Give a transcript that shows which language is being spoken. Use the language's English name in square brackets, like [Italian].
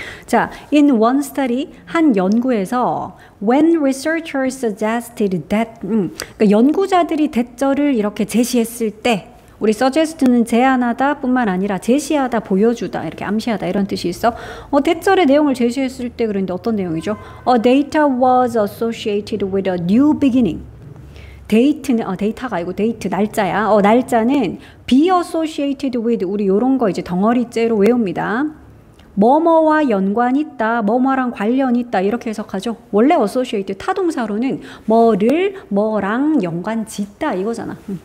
[Korean] 자, [English] in one study [Korean] 한 연구에서 [English] when researchers suggested that [Korean] 그러니까 연구자들이 대절을 이렇게 제시했을 때 우리 suggest는 제안하다 뿐만 아니라 제시하다 보여주다 이렇게 암시하다 이런 뜻이 있어. 대절의 내용을 제시했을 때 그런데 어떤 내용이죠? [English] Data was associated with a new beginning. [Korean] 데이트는 데이터가 아니고 데이트 날짜야. 날짜는 [English] be associated with [Korean] 우리 요런 거 이제 덩어리째로 외웁니다. 뭐뭐와 연관 있다, 뭐뭐랑 관련 있다 이렇게 해석하죠. 원래 associated 타동사로는 뭐를 뭐랑 연관 짓다 이거잖아.